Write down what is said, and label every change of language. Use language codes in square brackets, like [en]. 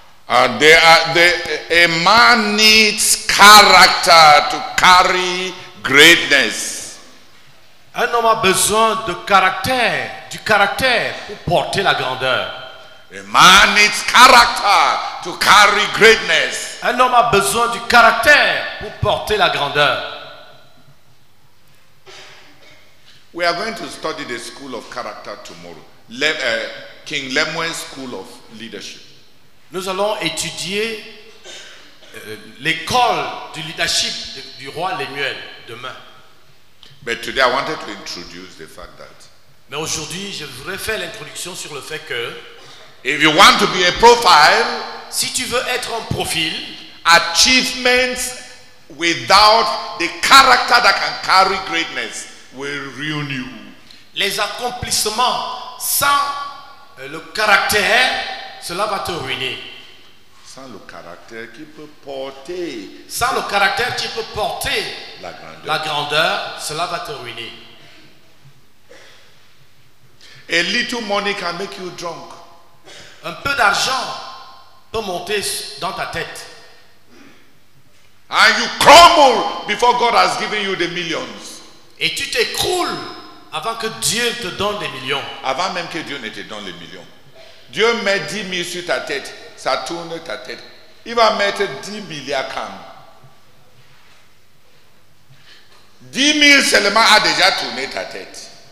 [en] A man needs character to carry greatness. [fr] Un homme a besoin de caractère, du caractère pour porter la grandeur. [en] A man needs character to carry greatness. [fr] Un homme a besoin du caractère pour porter la grandeur. [en] We are going to study the school of character tomorrow. King Lemuel's school of leadership. [fr] Nous allons étudier l'école du leadership du roi Lemuel demain. [en] But today I wanted to introduce the fact that. [fr] Mais aujourd'hui, je voudrais faire l'introduction sur le fait que. [en] If you want to be a profile. [fr] Si tu veux être un profil. [en] Achievements without the character that can carry greatness will ruin you. [fr] Les accomplissements sans le caractère. Cela va te ruiner. Sans le caractère qui peut porter. Sans le caractère qui peut porter. La grandeur. La grandeur, cela va te ruiner. [en] A little money can make you drunk. [fr] Un peu d'argent peut monter dans ta tête. [en] And you crumble before God has given you the millions. [fr] Et tu t'écroules avant que Dieu te donne les millions. Avant même que Dieu ne te donne les millions. Dieu met 10 000 sur ta tête, ça tourne ta tête. Il va mettre 10 milliards quand. 10 000 seulement a déjà tourné ta tête.